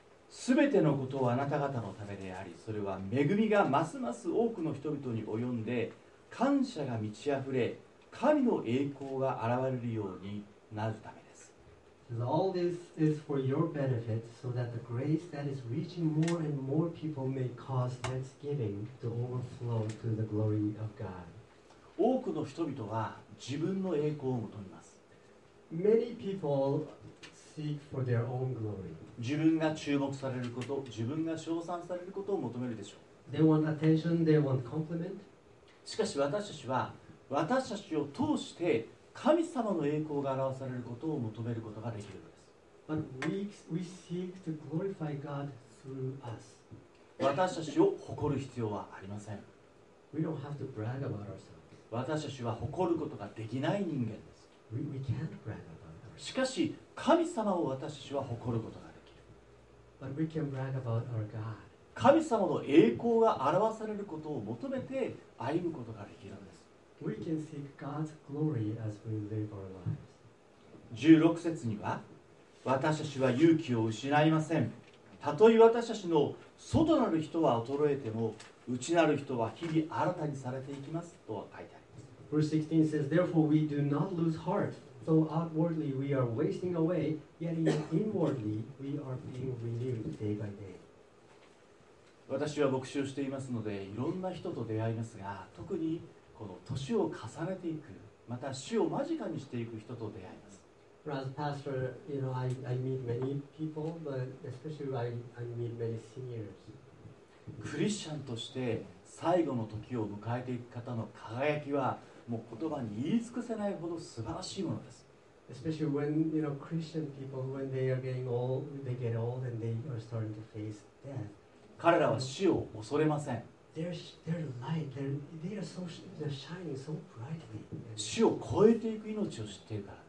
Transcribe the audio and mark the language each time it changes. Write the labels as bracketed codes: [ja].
[ja] すべてのことをあなた方のためであり、それは恵みがますます多くの人々に及んで、感謝が満ち溢れ、神の栄光が現れるようになるためです。 [en] All this is for your benefit, so that the grace that is reaching more and more people may cause thanksgiving to overflow to the glory of God. [ja] 多くの人々は自分の栄光を求めます。 [en] Many people seek for their own glory. [ja] 自分が注目されること、自分が称賛されることを求めるでしょう。 [en] They want attention, they want compliment. [ja] しかし私たちは、私たちを通して神様の栄光が表されることを求めることができるのです。 [en] But we seek to glorify God through us. [ja] 私たちを誇る必要はありません。 [en] We don't have to brag about ourselves. [ja] 私たちは誇ることができない人間です。 [en] We can't brag about ourselves. [ja] しかし神様を私たちは誇ることができる。 [en] But we can brag about our God. [ja] 神様の栄光が表されることを求めて歩むことができるんです。 [en] We can seek God's glory as we live our lives. [ja] 16節には、私たちは勇気を失いません。たとえ私たちの外なる人は衰えても、内なる人は日々新たにされていきますと書いてあります。 [en] Verse 16 says, Therefore we do not lose heart, though outwardly we are wasting away, yet inwardly we are being renewed day by day. [ja] 私は牧師をしていますので、いろんな人と出会いますが、特にこの年を重ねていく、また死を間近にしていく人と出会います。 [en] As a pastor, you know, I meet many people, but especially I meet many seniors. [ja] クリスチャンとして最後の時を迎えていく方の輝きは、もう言葉に言い尽くせないほど素晴らしいものです。 [en] Especially when, you know, Christian people, when they are getting old, they get old and they are starting to face death. [ja] 彼らは死を恐れません。 [en] Their light, they're so, they're shining so brightly. [ja] 死を超えていく命を知っているから。